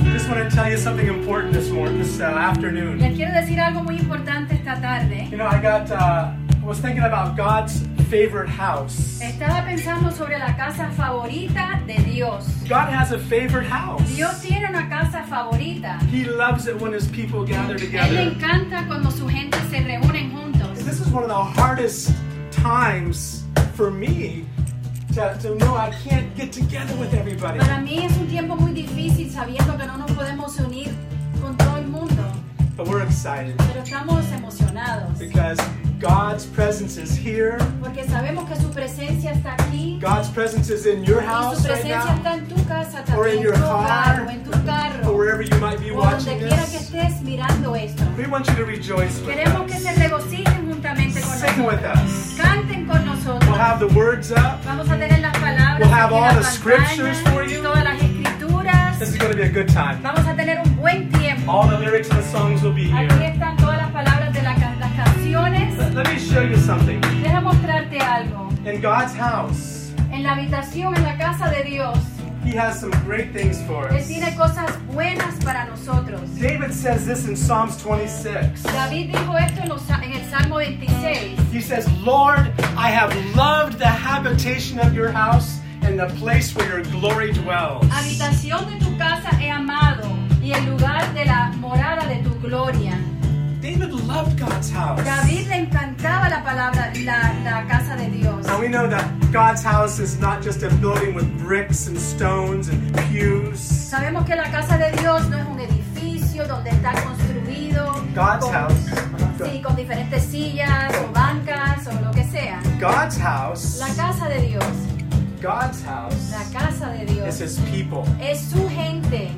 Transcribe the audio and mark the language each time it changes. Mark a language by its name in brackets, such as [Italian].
[English] I want to tell you something important this morning, this afternoon. [Spanish] Les quiero decir algo muy importante esta tarde. [English] You know, I was thinking about God's favorite house. [Spanish] Estaba pensando sobre la casa favorita de Dios. [English] God has a favorite house. [Spanish] Dios tiene una casa favorita. [English] He loves it when his people gather together. [Spanish] Él le encanta cuando su gente se reúnen juntos. [English] And this is one of the hardest times for me. To know I can't get together with everybody. [Spanish] Para mí es un tiempo muy difícil sabiendo que no nos podemos unir con todo el mundo. [English] But we're excited. [Spanish] Pero estamos emocionados. [English] Because God's presence is here. [Spanish] Porque sabemos que su presencia está aquí. [English] God's presence is in your house right now. [Spanish] Y su presencia está en tu casa también. [English] Or in your car. [Spanish] O en tu carro. [English] Or wherever you might be watching this. [Spanish] O donde quiera que estés mirando esto. [English] We want you to rejoice with us. [Spanish] Queremos que se regocijen juntamente con nosotros. [English] Sing with us. [Spanish] Canten con nosotros. [English] We'll have the words up. [Spanish] Vamos a tener las palabras. [English] We'll have all the scriptures for you. [Spanish] Todas las escrituras. [English] This is going to be a good time. [Spanish] Vamos a tener un buen tiempo. [English] All the lyrics and the songs will be here. [Spanish] Aquí están todas las palabras de las canciones. [English] Let me show you something. [Spanish] Deja mostrarte algo. [English] In God's house. [Spanish] En la habitación, en la casa de Dios. [English] He has some great things for us. [Spanish] Él tiene cosas buenas para nosotros. [English] David says this in Psalms 26. [Spanish] David dijo esto en el Salmo 26. [English] He says, Lord, I have loved the habitation of your house and the place where your glory dwells. [Spanish] Habitación de tu casa he amado y el lugar de la morada de tu gloria. [English] David loved God's house. [Spanish] David le encantaba la palabra, la casa de Dios. [English] And we know that God's house is not just a building with bricks and stones and pews. [Spanish] Sabemos que la casa de Dios no es un edificio donde está construido. [English] God's house. [Spanish] Sí, con diferentes sillas o bancas o lo que sea. [English] God's house. [Spanish] La casa de Dios. [English] God's house. [Spanish] La casa de Dios. [English] Is his people. [Spanish] Es su gente.